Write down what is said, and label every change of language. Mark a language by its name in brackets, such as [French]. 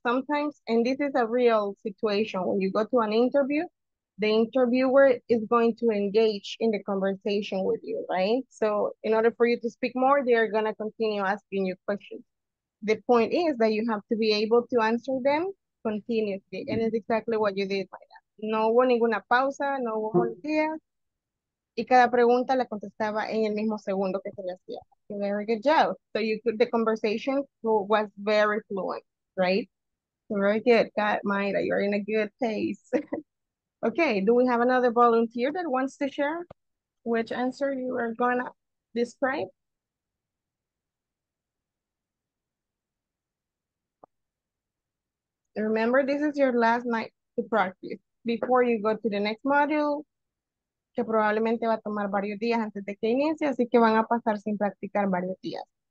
[English] Sometimes, and this is a real situation, when you go to an interview, the interviewer is going to engage in the conversation with you, right? So in order for you to speak more, they are going to continue asking you questions. The point is that you have to be able to answer them continuously. And it's exactly what you did, [Spanish] Mayra. No hubo ninguna pausa, no hubo volteas. Y cada pregunta la contestaba en el mismo segundo que se le hacía. [English] Very good job. So you could, the conversation was very fluent, right? Very good. God, Mayra, you're in a good pace. Okay, do we have another volunteer that wants to share which answer you are going to describe? Remember, this is your last night to practice before you go to the next module. [Spanish] que probablemente va a tomar varios días antes de que inicie, así que van a pasar sin practicar varios días.